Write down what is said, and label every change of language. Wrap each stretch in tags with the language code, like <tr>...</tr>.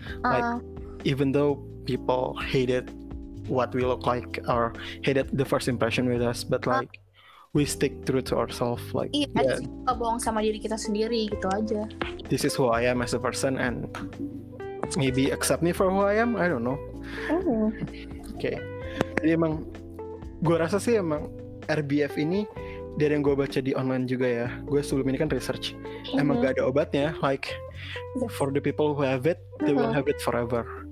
<en>Like even though people hated what we look like or hated the first impression with us, but like we stick true to ourselves, like</en> <id>Kita bohong sama diri kita sendiri gitu aja.</id> <en>This is who I am as a person, and maybe accept me for who I am. I don't know. Okay.</en> <id>Jadi emang gue rasa sih emang RBF ini, dari yang gue baca di online juga ya, gue sebelum ini kan research, emang gak ada obatnya.</id> <en>Like for the people who have it, they will have it forever.</en>